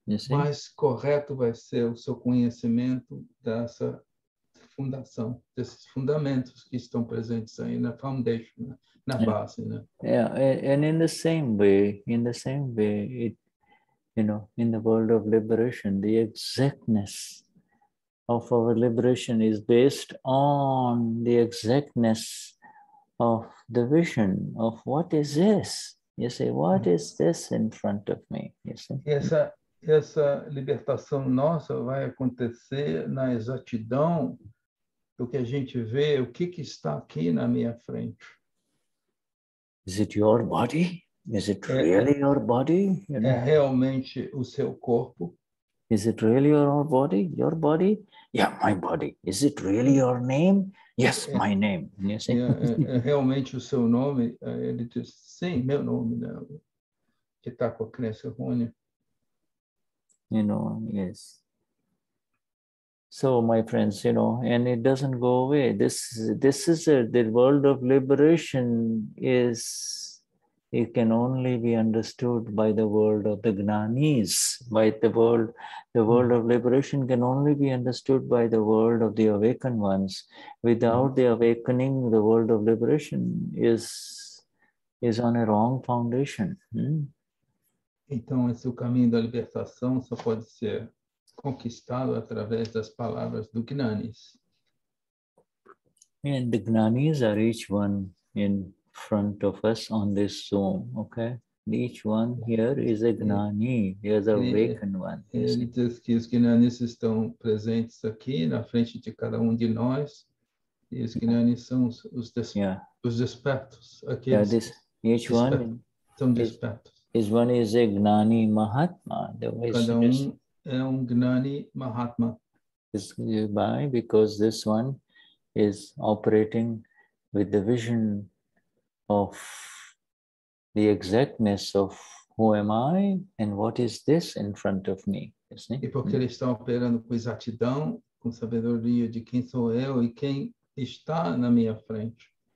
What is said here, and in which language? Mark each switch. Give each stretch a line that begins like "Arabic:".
Portuguese: Mais correto vai ser o seu conhecimento dessa fundação, desses fundamentos que estão presentes aí na foundation, na base, né?
English: Yeah, and in the same way, it, you know, in the world of liberation, the exactness of our liberation is based on the exactness of the vision of what is this? You say, what is this in front of me? You see?
Portuguese: Essa libertação nossa vai acontecer na exatidão do que a gente vê, o que que está aqui na minha frente.
English: Is it your body? Is it really your body?
Portuguese: É realmente o seu corpo?
English: Is it really your own body? Your body? Yeah, my body. Is it really your name? Yes, my name.
Portuguese: Yeah, realmente o seu nome? Ele diz, sim, meu nome, né? Que está com a crença errônea.
English: You know, yes. So, my friends, you know, and it doesn't go away. This is the world of liberation is, it can only be understood by the world of the Gnanis, by the world. The world of liberation can only be understood by the world of the awakened ones. Without the awakening, the world of liberation is on a wrong foundation.
Portuguese: Então, esse caminho da libertação só pode ser conquistado através das palavras do Gnanis.
English: And the Gnanis are each one in front of us on this Zoom, okay? Each one here is a Gnani, is an awakened one.
Portuguese: Ele diz que os Gnanis estão presentes aqui na frente de cada de nós, e os Gnanis são os despertos.
English: Each one
Portuguese: são despertos.
English: Is one is a Gnani Mahatma.
Portuguese: Cada é Gnani Mahatma.
English: Why? Because this one is operating with the vision of the exactness of who am I and what is this in front of me.
Portuguese: E porque ele está operando com exatidão, com sabedoria de quem sou eu e quem está na minha frente.